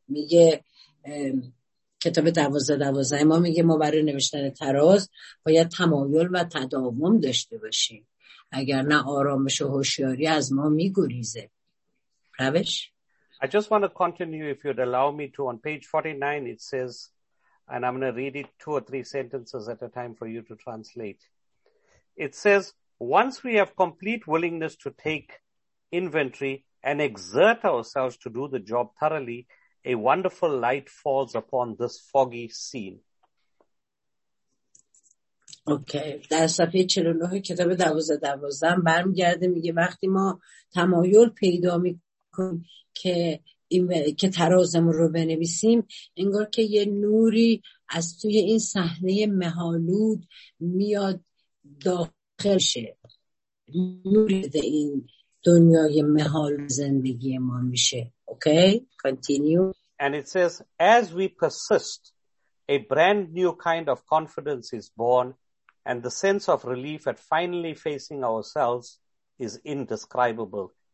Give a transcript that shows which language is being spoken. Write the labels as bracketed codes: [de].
[fa] میگه کتاب 12-12 ما میگه ما برای نوشتن تراز باید تمایل و تداوم داشته باشیم، اگر نه آرامش و هوشیاری از ما میگریزه. روش؟ [en] I just want to continue if you'd allow me to. On page 49 it says, and I'm going to read it two or three sentences at a time for you to translate. It says, once we have complete willingness to take inventory and exert ourselves to do the job thoroughly, a wonderful light falls upon this foggy scene. Okay. [fa] در صفحه 49 کتاب 12-12 برمیگرده میگه وقتی ما تمایل پیدا میکنیم که این که ترازمون رو بنویسیم، انگار که یه نوری از توی این صحنه مهالود میاد داخل شه، نوری ده این دنیای مهال زندگی ما میشه. [en] Okay continue. And it says as we persist a brand new kind of confidence is born and the sense of relief at finally facing ourselves is indescribable.